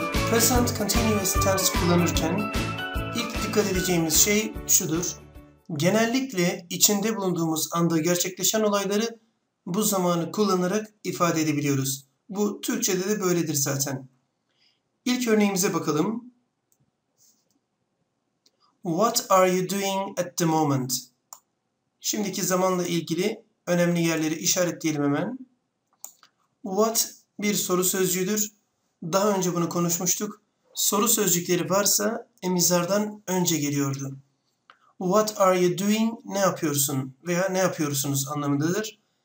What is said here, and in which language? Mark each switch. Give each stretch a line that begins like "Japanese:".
Turkish: Present Continuous Tense kullanırken ilk dikkat edeceğimiz şey şudur. Genellikle içinde bulunduğumuz anda gerçekleşen olayları bu zamanı kullanarak ifade edebiliyoruz. Bu Türkçe'de de böyledir zaten. İlk örneğimize bakalım.
English: What are you doing at the moment?
Turkish: Şimdiki zamanla ilgili önemli yerleri işaretleyelim hemen. What bir soru sözcüğüdür. Daha önce bunu konuşmuştuk. Soru sözcükleri varsa emizardan önce geliyordu.
English: What are you doing?
Turkish: Ne yapıyorsun veya ne yapıyorsunuz anlamındadır.